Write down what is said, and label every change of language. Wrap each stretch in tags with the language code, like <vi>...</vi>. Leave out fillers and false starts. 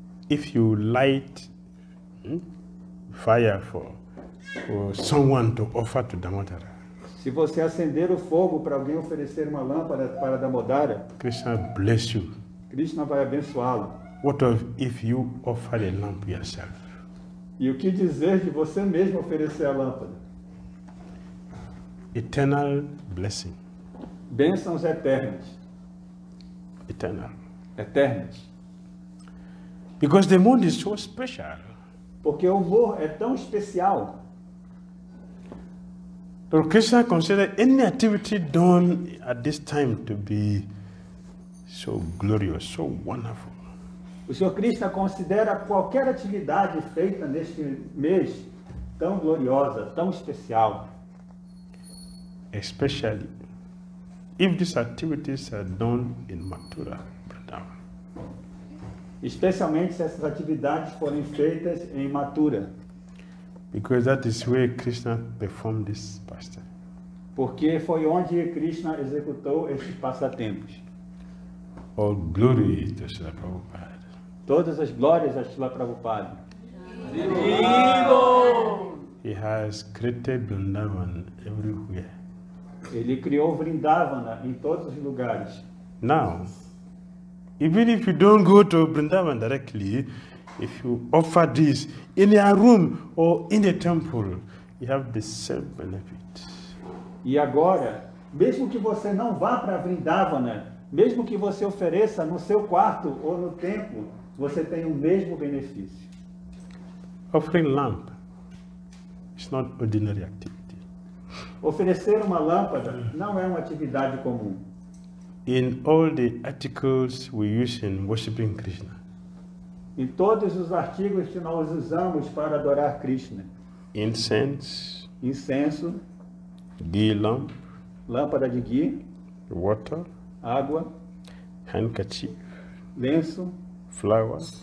<en>If you light fire for someone to offer to Damodara.</en> <pt>Se você acender o fogo para alguém oferecer uma lâmpada para Damodara,</pt> <en>Krishna bless you.</en> <pt>Krishna vai abençoá-lo.</pt> <en>What if you offer a lamp yourself?</en> <pt>E o que dizer de você mesmo oferecer a lâmpada?</pt> <en>Eternal blessing.</en> <pt>Bênçãos eternas.</pt> <en>Eternal.</en> <pt>Eternas.</pt> <en>Because the moon is so special.</en> <pt>Porque o amor é tão especial.</pt> <en>Lord Krishna considers any activity done at this time to be so glorious, so wonderful.</en> <pt>O Senhor Krishna considera qualquer atividade feita neste mês tão gloriosa, tão especial.</pt> <en>Especially if these activities are done in Mathura, Vrindavan.</en> <pt>Especialmente se essas atividades forem feitas em Mathura.</pt> <en>Because that is where Krishna performed this pastime.</en> <pt>Porque foi onde Krishna executou esses passatempos.</pt> <en>All glory to Srila Prabhupada.</en> <pt>Todas as glórias a Srila Prabhupada.</pt> <en>He has created Vrindavan everywhere.</en> <pt>Ele criou Vrindavana em todos os lugares.</pt> <en>Now, even if you don't go to Vrindavan directly, if you offer this in your room or in a temple, you have the same benefit.</en> <pt>E agora, mesmo que você não vá para Vrindavana, mesmo que você ofereça no seu quarto ou no templo, você tem o mesmo benefício.</pt> <en>Offering lamp is not ordinary activity.</en> <pt>Oferecer uma lâmpada não é uma atividade comum.</pt> <en>In all the articles we use in worshiping Krishna,</en> <pt>em todos os artigos que nós usamos para adorar Krishna.</pt> <en>Incense.</en> <pt>Incenso.</pt> <en>Ghee lamp.</en> <pt>Lâmpada de ghee.</pt> <en>Water.</en> <pt>Água.</pt> <en>Handkerchief.</en> <pt>Lenço.</pt> <en>Flower.</en>